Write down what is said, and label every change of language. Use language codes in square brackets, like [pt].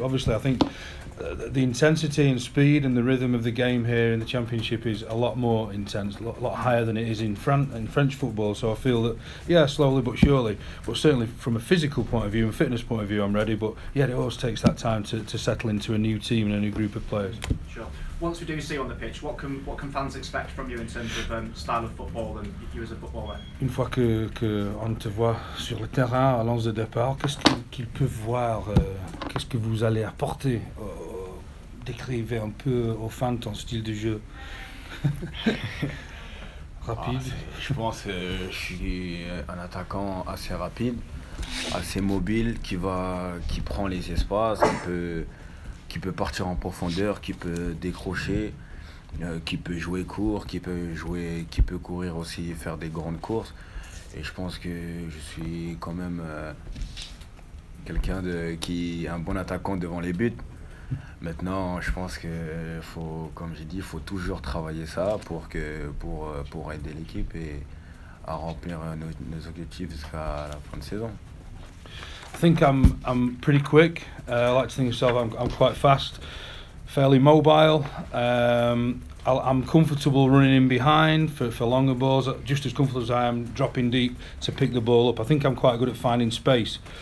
[en] Obviously, I think the intensity and speed and the rhythm of the game here in the championship is a lot more intense, a lot higher than it is in French football. So I feel that, yeah, slowly but surely, but certainly from a physical point of view and fitness point of view, I'm ready. But yeah, it always takes that time to settle into a new team and a new group of players. Sure. Once we do see you on the pitch, what can fans expect from you in terms of style of football and you as a footballer? [fr] Une fois que on te voit sur le terrain à l'once de départ, qu'est-ce qu'ils peuvent voir? Qu'est-ce que vous allez apporter? Décrivez un peu aux fans ton style de jeu. Rapide. Je pense que je suis un attaquant assez rapide, assez mobile, qui prend les espaces un peu. Qui peut partir en profondeur, qui peut décrocher, qui peut jouer court, qui peut courir aussi, faire des grandes courses. Et je pense que je suis quand même quelqu'un qui est un bon attaquant devant les buts. Maintenant, je pense que faut toujours travailler ça pour aider l'équipe et à remplir nos objectifs jusqu'à la fin de saison. [en] I think I'm pretty quick. I like to think of myself, I'm quite fast, fairly mobile. I'm comfortable running in behind for longer balls, just as comfortable as I am dropping deep to pick the ball up. I think I'm quite good at finding space.